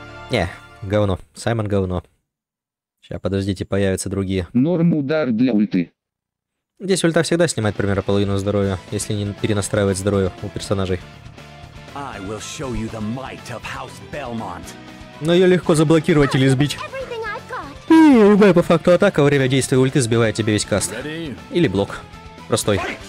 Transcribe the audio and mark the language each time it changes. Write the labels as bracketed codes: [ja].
[ru] Не, говно. Саймон говно. Сейчас, подождите, появятся другие. Норм удар для ульты. Здесь ульта всегда снимает примерно половину здоровья, если не перенастраивать здоровье у персонажей. [en] I will show you the might of House Belmont. [ru] Но ее легко заблокировать или сбить. И любая по факту атака во время действия ульты сбивает тебе весь каст. [en] Ready? [ru] Или блок. Простой.